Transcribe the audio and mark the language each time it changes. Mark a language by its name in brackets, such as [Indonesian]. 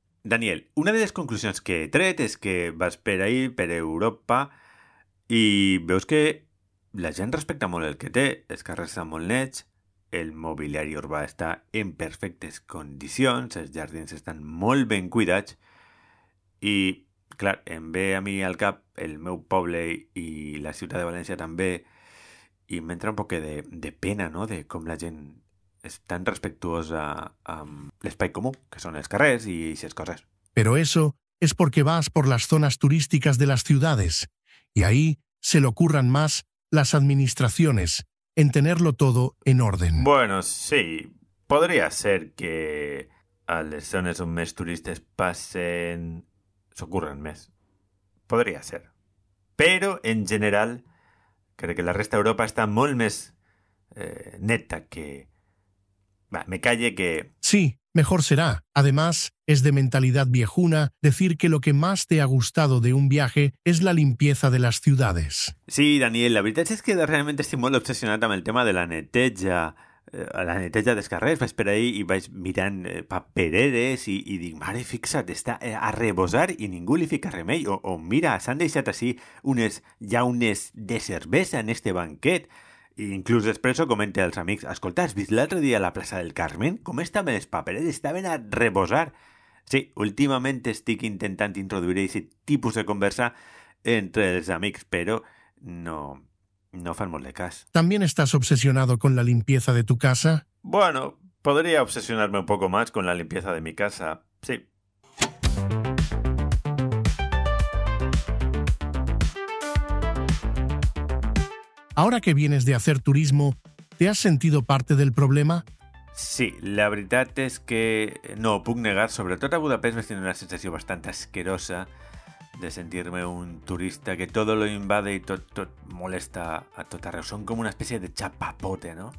[Catalan] Daniel, una de les conclusions que he tret és que vas per ahí, per Europa, i veus que la gent respecta molt el que té, els carrers estan molt nets, el mobiliari urbà està en perfectes condicions, els jardins estan molt ben cuidats, i... Clar, em ve a mi al cap el meu poble i la ciutat de València també, i m'entra un poc de pena, no?, de com la gent és tan respectuosa amb l'espai comú, que són els carrers i aquestes coses. [Spanish] Pero eso es porque vas por las zonas turísticas de las ciudades, y ahí se lo curran más las administraciones en tenerlo todo en orden. Bueno, sí, podría ser que [Catalan] a les zones on més turistes passen... s'ocorren més. Podria ser. Però, en general, crec que la resta d'Europa està molt més neta que... Va, me calle que... [Spanish] Sí, mejor será. Además, es de mentalidad viejuna decir que lo que más te ha gustado de un viaje es la limpieza de las ciudades. [Catalan] Sí, Daniel, la veritat és que realment estic molt obsessionat amb el tema de la neteja... La neteja dels carrers, vaig per ahí i vaig mirant papereres i dic, mare, fixa't, està a rebosar i ningú li fica remei. O mira, s'han deixat així unes llaunes de cervesa en este banquet. I inclús després ho comenta als amics, escolta, has vist l'altre dia a la plaça del Carmen? Com estaven les papereres? Estaven a rebosar. Sí, últimament estic intentant introduir aquest tipus de conversa entre els amics, però no... No fan molt de cas. [Spanish] ¿También estás obsesionado con la limpieza de tu casa? Bueno, podría obsesionarme un poco más con la limpieza de mi casa, sí. Ahora que vienes de hacer turismo, ¿te has sentido parte del problema? [Catalan] Sí, la veritat és que no ho puc negar. Sobretot [Spanish] a Budapest me tiene una sensación bastante asquerosa de sentirme un turista que todo lo invade y [Catalan] tot molesta a tot arreu. [Spanish] Son como una especie de chapapote, ¿no?